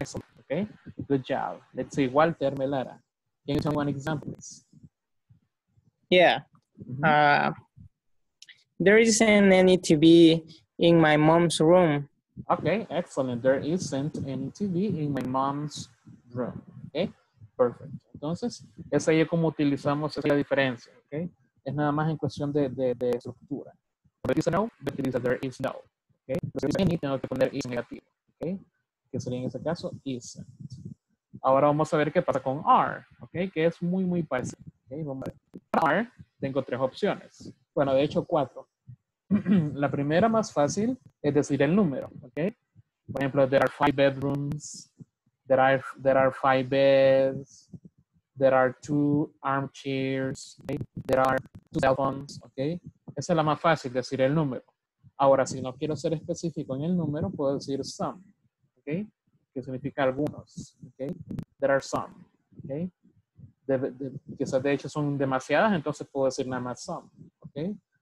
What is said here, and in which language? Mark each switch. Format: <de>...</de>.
<en>Excellent. Okay. Good job. Let's see. Walter Melara. Can you tell me one example, please? Yeah. Mm-hmm. There isn't any TV in my mom's room. Okay. Excellent. There isn't any TV in my mom's room. Okay. Perfect.</en> <es>Entonces, esa ahí es como utilizamos esa diferencia. Okay. Es nada más en cuestión de estructura.</es> <en>There is no. There is no.</en> <es>Okay. Si any, tengo que poner is negativo, okay. Que sería en ese caso isn't. Ahora vamos a ver qué pasa con are, okay. Que es muy muy parecido, okay. Vamos a ver. Para are tengo tres opciones, bueno de hecho cuatro. La primera más fácil es decir el número, okay. Por ejemplo,</es> <en>there are five bedrooms, there are five beds, there are two armchairs, okay. There are two cell phones, okay.</en> <es>Esa es la más fácil, decir el número. Ahora, si no quiero ser específico en el número, puedo decir some, ¿ok? Que significa algunos, ¿ok?</es> <en>There are some,</en> <es>¿ok? Quizás de hecho son demasiadas, entonces puedo decir nada más some, ¿ok?</es>